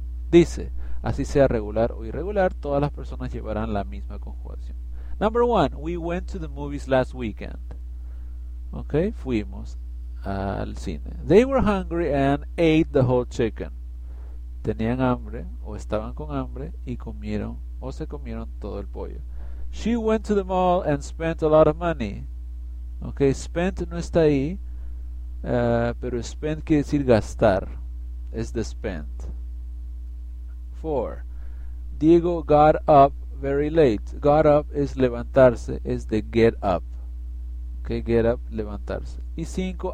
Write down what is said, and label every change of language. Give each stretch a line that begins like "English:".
Spanish: Dice, así sea regular o irregular, todas las personas llevarán la misma conjugación.
English: Number one, we went to the movies last weekend.
Spanish: Ok, fuimos al cine.
English: They were hungry and ate the whole chicken.
Spanish: Tenían hambre o estaban con hambre y comieron o se comieron todo el pollo.
English: She went to the mall and spent a lot of money.
Spanish: Ok, spent no está ahí, pero spent quiere decir gastar. Es de spent. 4.
English: Diego got up very late.
Spanish: Got up es levantarse, es de get up. Okay, get up, levantarse. Y 5.